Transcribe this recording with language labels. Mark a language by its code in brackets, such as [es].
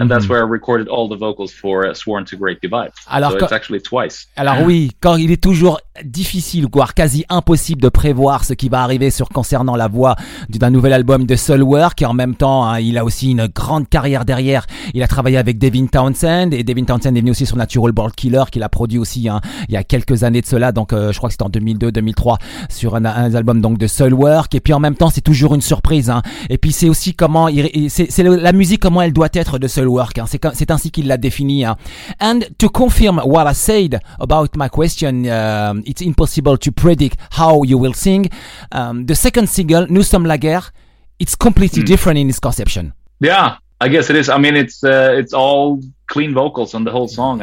[en] And that's where I recorded all the vocals for Sworn to Great Divide. It's actually twice. [fr] Alors oui, quand il est toujours difficile, voire quasi impossible de prévoir ce qui va arriver sur concernant la voix d'un nouvel album de Soul Work, et en même temps, hein, il a aussi une grande carrière derrière. Il a travaillé avec Devin Townsend, et Devin Townsend est venu aussi sur Natural Born Killer, qu'il a produit aussi, hein, il y a quelques années de cela, donc je crois que c'était en 2002-2003, sur un album donc de Soul Work. Et puis en même temps, c'est toujours une surprise, hein. Et puis c'est aussi comment la musique, comment elle doit être de Soul Work, hein. C'est ainsi qu'il l'a défini, hein. [en] And to confirm what I said about my question, it's impossible to predict how you will sing. The second single, Nous sommes la guerre, it's completely different in its conception. Yeah, I guess it is. I mean, it's all clean vocals on the whole song.